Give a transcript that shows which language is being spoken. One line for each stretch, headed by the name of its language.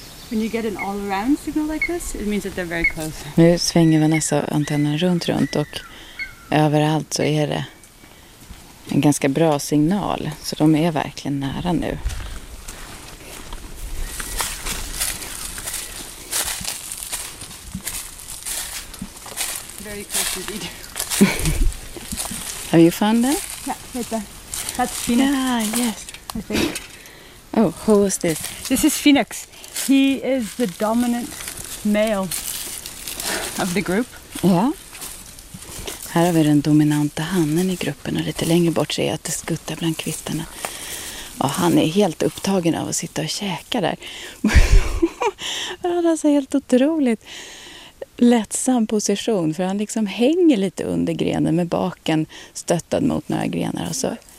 English: When you get an all-around signal like this, it means that they're very close.
Swedish: Nu svänger Vanessa antennen runt och överallt så är det en ganska bra signal. Så de är verkligen nära nu.
English: Very close indeed. Have you found them? Yeah, right there. That's Phoenix. Ah, yes. I think. Oh, who is this? This is Phoenix. He is the dominant male of the group. Yeah.
Swedish: Här har vi den dominanta hannen i gruppen och lite längre bort ser jag att det skuttar bland kvistarna. Och han är helt upptagen av att sitta och käka där. Han har så helt otroligt lättsam position, för han liksom hänger lite under grenen med baken stöttad mot några grenar och så.